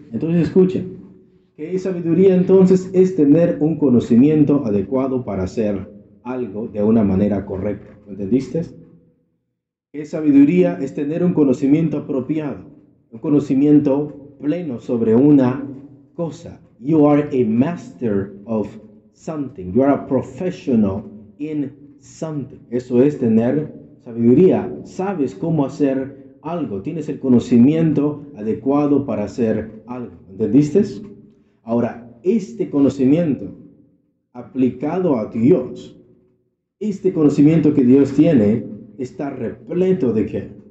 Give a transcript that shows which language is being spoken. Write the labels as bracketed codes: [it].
[es] Entonces escuchen, ¿qué es sabiduría entonces? Es tener un conocimiento adecuado para hacer algo de una manera correcta. ¿Lo entendiste? ¿Qué es sabiduría? Es tener un conocimiento apropiado, un conocimiento pleno sobre una cosa. [en] You are a master of something. You are a professional in something. [es] Eso es tener sabiduría. Sabes cómo hacer algo. Tienes el conocimiento adecuado para hacer algo. ¿Entendiste? Ahora, este conocimiento aplicado a Dios, este conocimiento que Dios tiene, está repleto ¿de qué?